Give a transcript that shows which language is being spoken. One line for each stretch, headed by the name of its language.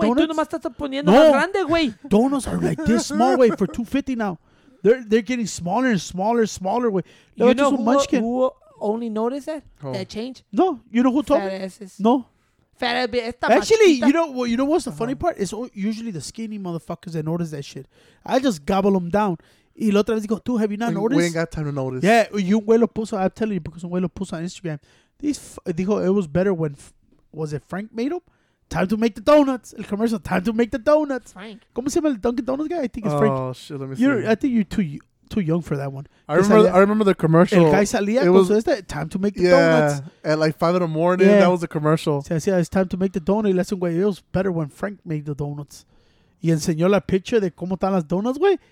Spanish: No, güey, tú nomás estás poniendo más grande, güey.
English: Donuts are like this small, güey, for $2.50 now. They're getting smaller and smaller and smaller, güey. You know who only noticed that? Oh. That change? No. You know who told me? No. Actually, you know what's the funny part? It's usually the skinny motherfuckers that notice that shit. I just gobble them down. Y la otra vez digo, tú, have you not noticed? We ain't got time to notice. Yeah, you güey lo puso, I'm telling you, because un güey lo puso on Instagram. Dijo, it was better when, was it Frank made them? Time to make the donuts. El commercial, time to make the donuts. Frank.
Spanish: ¿Cómo se llama el Dunkin' Donuts guy? I think it's Frank.
English: Oh, shit, let me see. I think you're too young for that one. I remember the commercial. El guy salía, time to make the donuts. Yeah, at like 5 in the morning, yeah. That was the commercial. Se decía, it's time to make the donuts. Listen, güey, it was better when Frank made the donuts.
Spanish: Y enseñó la picture de cómo están las donuts, güey.